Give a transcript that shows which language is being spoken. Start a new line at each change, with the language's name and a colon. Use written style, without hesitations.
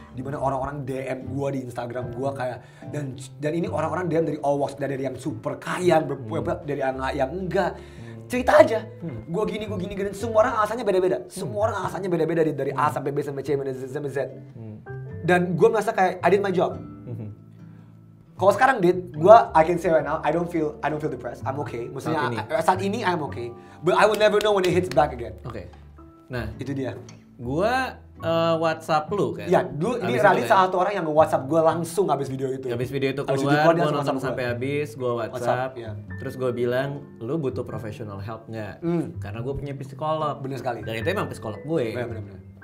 Indonesian: Dimana orang-orang DM gue di Instagram gue kayak, dan ini orang-orang DM dari all walks, dari yang super kaya, dari yang enggak. Cerita aja, gue gini, semua orang alasannya beda-beda. Semua orang alasannya beda-beda, dari A sampai B sampai C sampai Z. Dan gue merasa kayak,
English: I did my job.
Indonesian: Kalau sekarang,
English: Dit, gue, I can say right now, I don't feel depressed, I'm okay.
Indonesian: Maksudnya, saat ini,
English: I'm okay. But I will never know when it hits back again. Okay. Nah,
Indonesian: itu dia. Gue WhatsApp lu kan? Iya, dulu ini Radit salah satu orang yang nge-WhatsApp gue langsung abis video itu. Abis video itu keluar, gue nonton sampai habis, gue WhatsApp. Yeah. Terus gue bilang, lu butuh professional help nggak? Karena gue punya psikolog. Bener sekali. Dan itu emang psikolog gue. Bener.